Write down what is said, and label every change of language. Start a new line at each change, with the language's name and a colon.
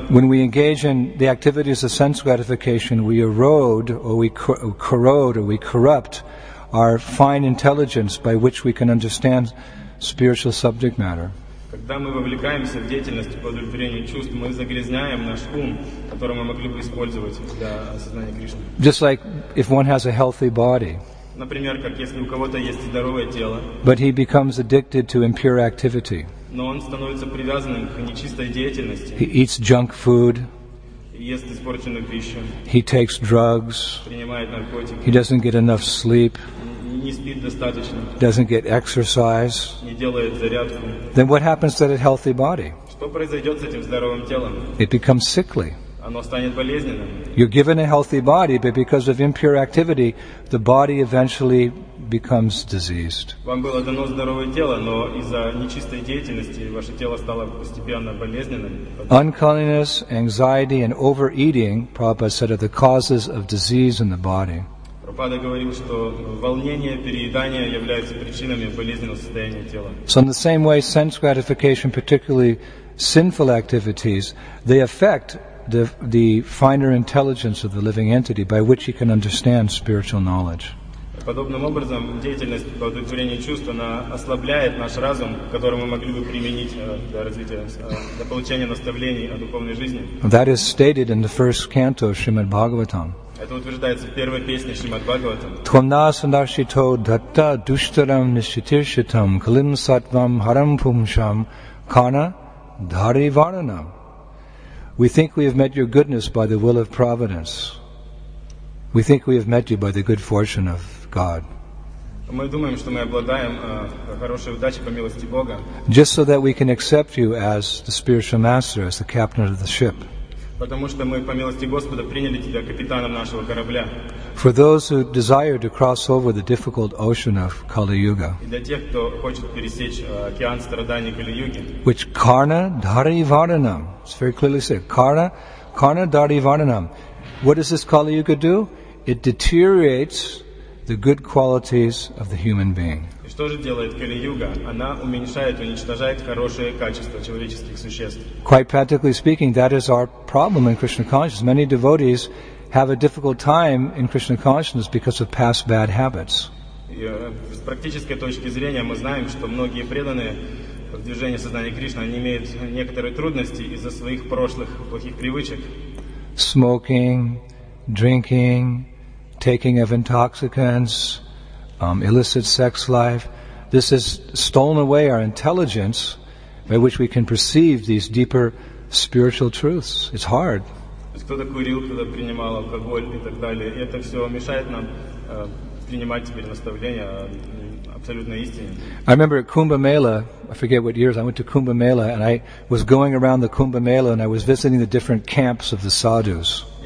English: When we engage in the activities of sense gratification, we erode or we corrode or we corrupt our fine intelligence by which we can understand spiritual subject matter.
Russian: Когда мы вовлекаемся в деятельность по удовлетворению чувств, мы загрязняем наш ум, который мы могли бы использовать для осознания Кришны.
English: Just like if one has a healthy body.
Russian: Например, как если у кого-то есть здоровое тело.
English: But he becomes addicted to impure activity.
Russian: Но он становится привязанным к нечистой деятельности.
English: He eats junk food.
Russian: Ест испорченную пищу.
English: He takes drugs.
Russian: Принимает наркотики.
English: He doesn't get enough sleep.
Russian: Не спит достаточно.
English: Doesn't get exercise.
Russian: Не делает зарядку.
English: Then what happens to that healthy body?
Russian: Что произойдет с этим здоровым телом?
English: It becomes sickly.
Russian: Оно станет болезненным.
English: You're given a healthy body, but because of impure activity, the body eventually becomes diseased.
Russian: Вам было дано здоровое тело, но из-за нечистой деятельности ваше тело стало постепенно болезненным.
English: Uncleanliness, anxiety, and overeating, Prabhupada said, are the causes of disease in the body.
Russian: Прабхупада говорил, что волнение, переедание являются причинами болезненного состояния тела.
English: So in the same way, sense gratification, particularly sinful activities, they affect the finer intelligence of the living entity by which he can understand spiritual knowledge.
Russian: Подобным образом, деятельность по удовлетворению чувств, она ослабляет наш разум, который мы могли бы применить для развития, для получения наставлений о духовной жизни.
English: That is stated in the first canto of Srimad Bhagavatam.
Russian: Это утверждается в первой песне Шримад Бхагаватам.
Sanskrit: Твам насандаршито датта душтарам нишитиршитам калим сатвам харам пумшам кана дхари варанам.
English: We think we have met your goodness by the will of providence. We think we have met you by the good fortune of God.
Russian: Мы думаем, что мы обладаем хорошей удачей по милости Бога.
English: Just so that we can accept you as the spiritual master, as the captain of the ship.
Russian: Потому что мы по милости Господа приняли тебя капитаном нашего корабля.
English: For those who desire to cross over the difficult ocean of Kali Yuga.
Russian: И для тех, кто хочет пересечь океан страданий Кали Юги.
English: Which
Sanskrit: Karna Dhari Varanam.
English: It's very clearly said.
Sanskrit: Karna Dhari Varanam.
English: What does this Kali Yuga do? It deteriorates the good qualities of the human being.
Russian: И что же делает Кали Юга? Она уменьшает, уничтожает хорошие качества человеческих существ.
English: Quite practically speaking, that is our problem in Krishna consciousness. Many devotees have a difficult time in Krishna consciousness because of past bad habits.
Russian: С практической точки зрения мы знаем, что многие преданные в движении сознания Кришны они имеют некоторые трудности из-за своих прошлых плохих привычек.
English: Smoking, drinking, taking of intoxicants, illicit sex life. This has stolen away our intelligence by which we can perceive these deeper spiritual truths. It's hard.
Russian: Кто-то курил, кто-то принимал алкоголь и так далее. И это все мешает нам принимать теперь наставления о
English: I remember at Kumbh Mela, I forget what years, I went to Kumbh Mela, and I was going around the Kumbh Mela and I was visiting the different camps of the sadhus.